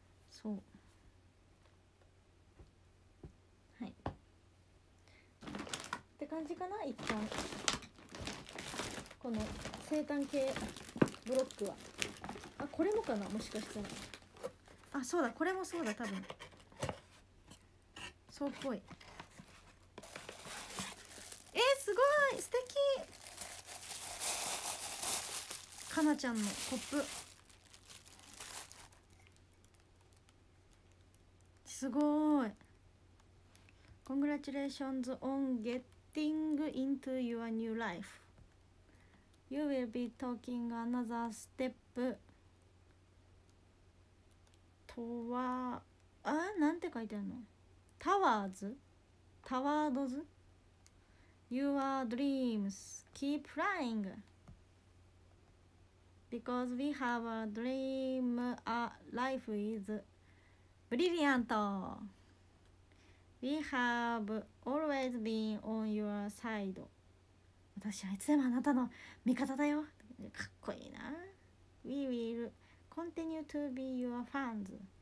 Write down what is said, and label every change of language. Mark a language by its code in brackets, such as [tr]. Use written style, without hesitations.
[ja] そう、はいって感じかな。一旦この生誕系ブロックは、あ、これもかな、もしかしたら、あ、そうだ、これもそうだ、多分そうっぽい。すごい素敵、かなちゃんのコップ、すごい。 [en] Congratulations on getting into your new life. You will be taking another step [ja] とは、あ、なんて書いてあるの。 [en] Towards? Towards? Your dreams. Keep flying. Because we have a dream, a life is brilliant. We have always been on your side. [ja] 私はいつでもあなたの味方だよ。かっこいいな。 [en] We will continue to be your fans.